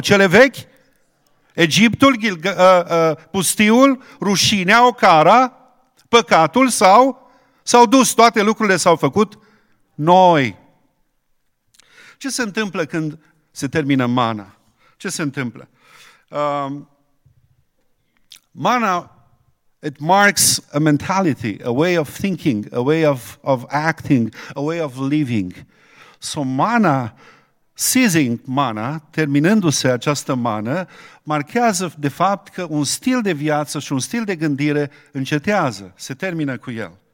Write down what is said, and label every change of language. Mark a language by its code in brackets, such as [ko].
[ro] Cele vechi, Egiptul, pustiul, rușinea, ocara, păcatul sau... S-au dus, toate lucrurile s-au făcut noi. Ce se întâmplă când se termină mana? Ce se întâmplă? [en] Mana, it marks a mentality, a way of thinking, a way of acting, a way of living. So mana, ceasing mana, [ro] terminându-se această mană, marchează de fapt că un stil de viață și un stil de gândire încetează, se termină cu el.